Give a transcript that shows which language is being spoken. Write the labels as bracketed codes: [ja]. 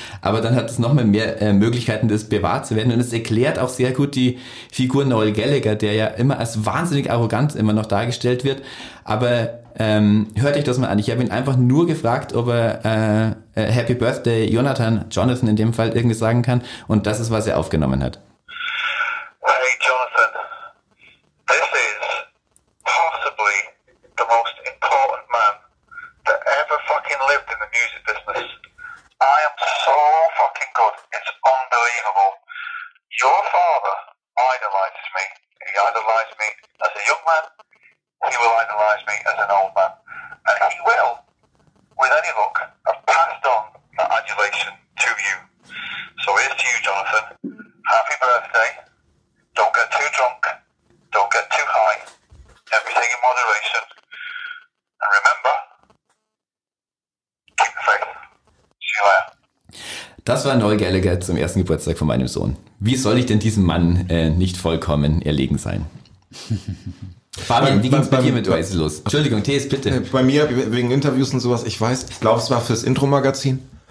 [de] Aber dann hat es nochmal mehr Möglichkeiten, das bewahrt zu werden. Und es erklärt auch sehr gut die Figur Noel Gallagher, der ja immer als wahnsinnig arrogant immer noch dargestellt wird. Aber hört euch das mal an. Ich habe ihn einfach nur gefragt, ob er Happy Birthday Jonathan in dem Fall irgendwie sagen kann. Und das ist, was er aufgenommen hat. [en] Hey Jonathan, this is possibly the most important man that ever fucking lived in the music business. I am so fucking good. It's unbelievable. Your father idolizes me. He idolized me as a young man. He will idolize me as an old man. And he will, with any luck, have passed on that adulation to you. So here's to you, Jonathan. Happy birthday. Don't get too drunk. Don't get too high. Everything in moderation. And remember, keep the faith. See you later. [de] Das war Noel Gallagher zum ersten Geburtstag von meinem Sohn. Wie soll ich denn diesem Mann nicht vollkommen erlegen sein? Fabian, wie ging's bei dir mit Oasis los? Entschuldigung, Thees, bitte. Bei mir, wegen Interviews und sowas, ich glaube, es war fürs Intro-Magazin.